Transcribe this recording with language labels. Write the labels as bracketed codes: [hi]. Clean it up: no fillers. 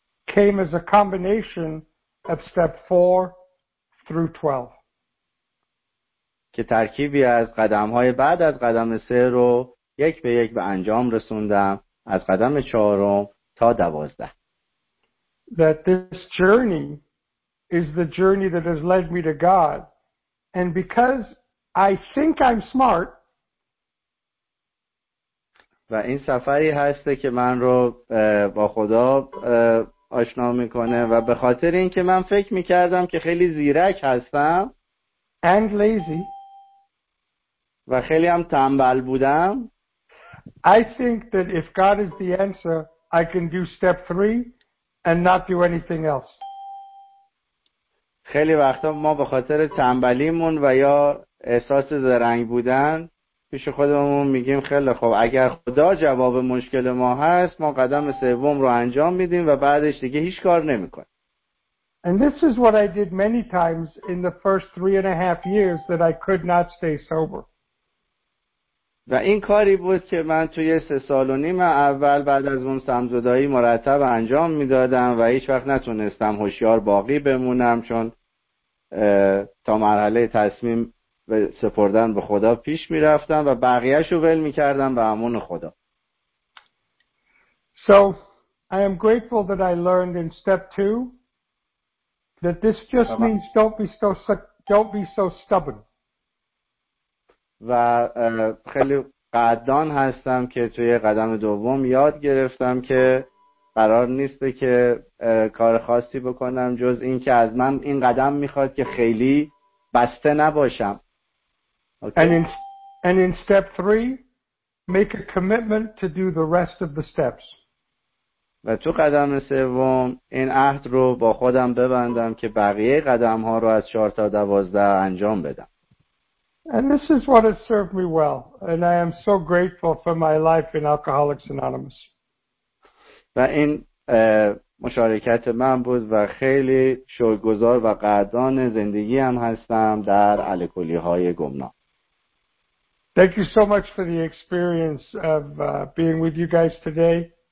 [en] came as a combination of step 4 through 12 [fa] که ترکیبی از قدم‌های بعد از قدم 3 رو یک به یک به انجام رسوندم از قدم 4 تا 12 [en] that this journey is the journey that has led me to God and because I think I'm smart [fa] و این سفری هست که من رو با خدا آشنا میکنه و به خاطر اینکه من فکر میکردم که خیلی زیرک هستم [en] and lazy [fa] و خیلی هم تنبل بودم [en] I think that if God is the answer I can do step 3 and not do anything else. [fa] خیلی وقتا ما به خاطر تنبلیمون و یا احساس زرنگ بودن پیش خودمون میگیم خیلی خب اگر خدا جواب مشکل ما هست ما قدم سوم رو انجام میدیم و بعدش دیگه هیچ کار نمی‌کنیم. [en] And this is what I did many times in the first 3.5 years that I could not stay sober. [fa] و این کاری بود که من توی 3.5 سال اول بعد از اون سمزدائی مرتب انجام میدادم و هیچ وقت نتونستم هوشیار باقی بمونم چون تا مرحله تصمیم و سپردن به خدا پیش می رفتم و بقیهش رو ول می کردم به امون خدا. [en] So I am grateful that I learned in step 2 that this just means don't be so stubborn. [fa] و خیلی قدردان هستم که توی قدم دوم یاد گرفتم که قرار نیست که کار خاصی بکنم جز این که از من این قدم می خواد که خیلی بسته نباشم. [en] Okay. And in step 3 make a commitment to do the rest of the steps. [fa] و تو قدم سوم این عهد رو با خودم ببندم که بقیه قدم ها رو از 4 تا 12 انجام بدم. [en] And this is what has served me well and I am so grateful for my life in Alcoholics Anonymous. [fa] و این مشارکت من بود و خیلی شکرگزار و قدردان زندگی ام هستم در الکلی های گمنام. [en] Thank you so much for the experience of being with you guys today.